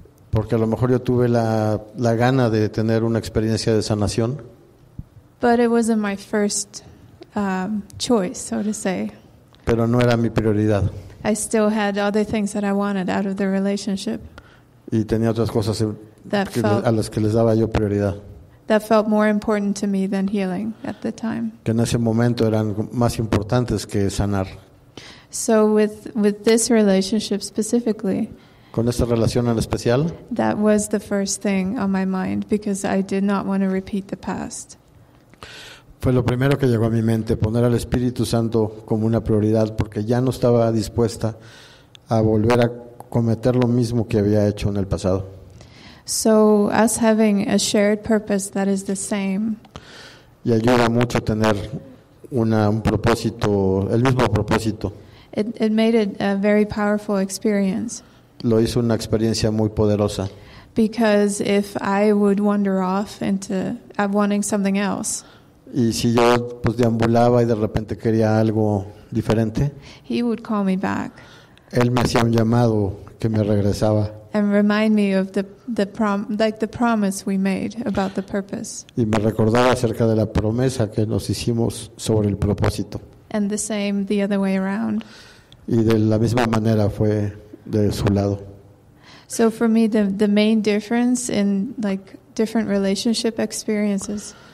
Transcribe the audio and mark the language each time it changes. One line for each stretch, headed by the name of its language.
Spanish: Porque a lo mejor yo tuve la gana de tener una experiencia de sanación.
English: But it wasn't my first choice, so to say.
Spanish: Pero no era mi prioridad.
English: I still had other things that I wanted out of the relationship.
Spanish: Y tenía otras cosas a las que les daba yo prioridad.
English: That felt more important to me than healing at the time.
Spanish: Que en ese momento eran más importantes que sanar.
English: So with this relationship specifically.
Spanish: Con esta relación en especial.
English: That was the first thing on my mind because I did not want to repeat the past.
Spanish: Fue lo primero que llegó a mi mente, poner al Espíritu Santo como una prioridad, porque ya no estaba dispuesta a volver a cometer lo mismo que había hecho en el pasado.
English: So, us having a shared purpose that is the same.
Spanish: Y ayuda mucho tener un propósito, el mismo propósito.
English: It made it a very powerful experience.
Spanish: Lo hizo una experiencia muy poderosa.
English: Because if I would wander off into wanting something else.
Spanish: Y si yo pues deambulaba y de repente quería algo diferente.
English: He would call me back.
Spanish: Él me hacía un llamado que me regresaba.
English: And remind me of the promise we made about the purpose.
Spanish: Y me recordaba acerca de la promesa que nos hicimos sobre el propósito.
English: And the same the other way around.
Spanish: Y de la misma manera fue de su lado.
English: So for me the main difference in like different relationship experiences.